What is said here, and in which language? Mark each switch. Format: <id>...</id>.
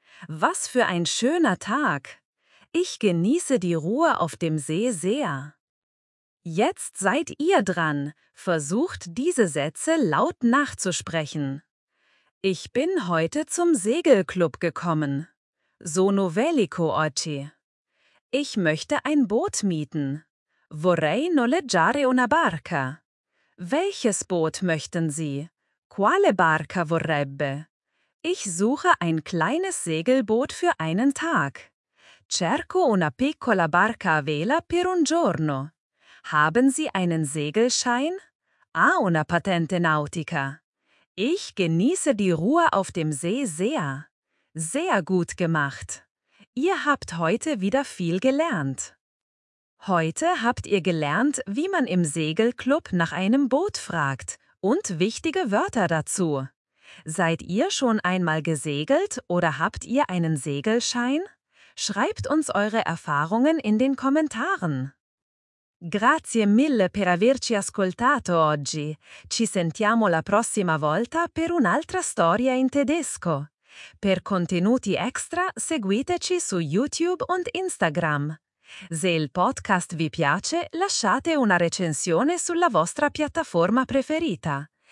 <de>Was für ein schöner Tag! Ich genieße die Ruhe auf dem See sehr. Jetzt seid ihr dran. Versucht, diese Sätze laut nachzusprechen. Ich bin heute zum Segelclub gekommen.</de> <it>Sono velico oggi.</it> <de>Ich möchte ein Boot mieten.</de> <it>Vorrei noleggiare una barca.</it> <de>Welches Boot möchten Sie?</de> <it>Quale barca vorrebbe?</it> <de>Ich suche ein kleines Segelboot für einen Tag.</de> <it>Cerco una piccola barca a vela per un giorno.</it> <de>Haben Sie einen Segelschein?</de> <it>Ha una patente nautica.</it> <de>Ich genieße die Ruhe auf dem See sehr. Sehr gut gemacht. Ihr habt heute wieder viel gelernt. Heute habt ihr gelernt, wie man im Segelclub nach einem Boot fragt und wichtige Wörter dazu. Seid ihr schon einmal gesegelt oder habt ihr einen Segelschein? Schreibt uns eure Erfahrungen in den Kommentaren.</de> <it>Grazie mille per averci ascoltato oggi. Ci sentiamo la prossima volta per un'altra storia in tedesco. Per contenuti extra seguiteci su YouTube und Instagram. Se il podcast vi piace, lasciate una recensione sulla vostra piattaforma preferita.</it>